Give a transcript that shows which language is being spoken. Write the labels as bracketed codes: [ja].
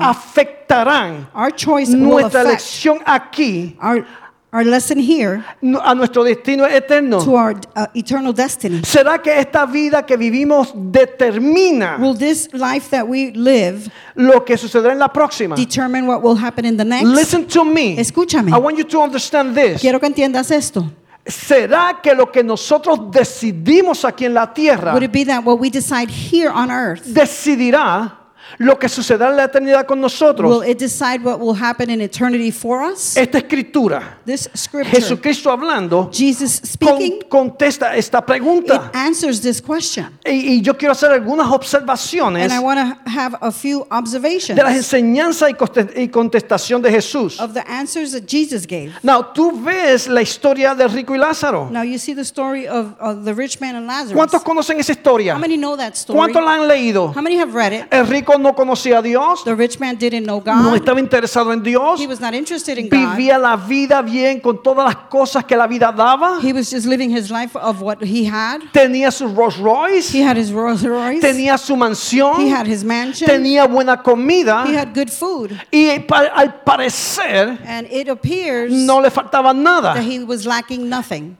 [es] Afectarán [en] our choice [es] nuestra elección aquí. [en] Our lesson here. [es] A nuestro destino eterno. [en] To our eternal destiny. [es] ¿Será que esta vida que vivimos determina? [en] Will this life that we live [es] lo que sucederá en la próxima? [en] Determine what will happen in the next? Listen to me. [es] Escúchame. [en] I want you to understand this. [es] Quiero que entiendas esto. ¿Será que lo que nosotros decidimos aquí en la tierra [en] would it be that what we decide here on earth [es] decidirá lo que sucederá en la eternidad con nosotros. [en] Will it decide what will happen in eternity for us? [es] Esta escritura, [en] this scripture, [es] Jesucristo hablando, [en] Jesus speaking, [es] contesta esta pregunta. [en] It answers this question. [es] Y yo quiero hacer algunas observaciones. [en] And I want to have a few observations. [es] De las enseñanzas y contestación de Jesús. [en] Of the answers that Jesus gave. [es] Now, tú ves la historia del rico y Lázaro. [en] Now you see the story of the rich man and Lazarus. [es] ¿Cuántos conocen esa historia? [en] How many know that story? [es] ¿Cuántos la han leído? [en] How many have read it? [es] El rico no conocía a Dios. [en] The rich man didn't know God. [es] No estaba interesado en Dios. [en] He was not interested in [es] Vivía Vivía la vida bien con todas las cosas que la vida daba. [en] He was just living his life of what he had. [es] Tenía su Rolls Royce. [en] He had his Rolls Royce. [es] Tenía su mansión. [en] He had his mansion. [es] Tenía buena comida. [en] He had good food. [es] Y al parecer, [en] and it appears, [es] no le faltaba nada. [en] That he was lacking nothing.